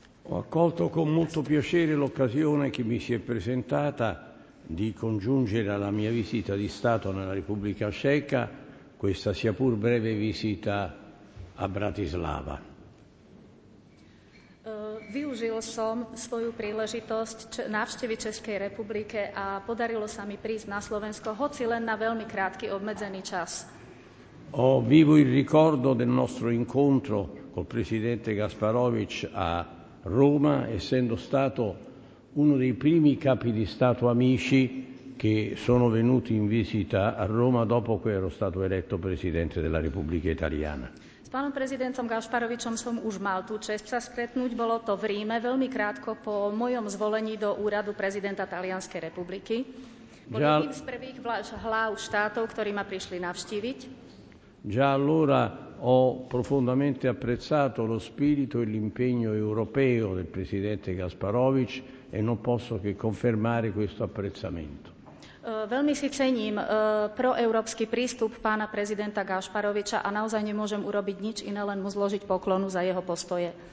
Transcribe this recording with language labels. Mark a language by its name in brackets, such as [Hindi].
[Italian] Ho accolto con molto piacere l'occasione che mi si è presentata di congiungere alla mia visita di Stato nella Repubblica Ceca questa sia pur breve visita a Bratislava. [Slovak] Využil som svoju príležitosť návštevy Českej republiky a podarilo sa mi prísť na Slovensko, hoci len na veľmi krátky obmedzený čas. [Italian] Ho vivo il ricordo del nostro incontro col presidente Gasparovic a Roma, essendo stato uno dei primi capi di Stato amici che sono venuti in visita a Roma dopo che ero stato eletto presidente della Repubblica Italiana. [Slovak] S pánom prezidentom Gašparovičom som už mal tú česť sa stretnúť, bolo to v Ríme veľmi krátko po mojom zvolení do úradu prezidenta Talianskej republiky. Bol jedným z prvých hlav štátov, ktorí ma prišli navštíviť. [Italian] Già allora ho profondamente apprezzato lo spirito e l'impegno europeo del presidente Gasparovic e non posso che confermare questo apprezzamento. [Slovak] Veľmi si cením proeurópsky prístup pána prezidenta Gašparoviča a naozaj nemôžem urobiť nič iné, len mu zložiť poklonu za jeho postoje.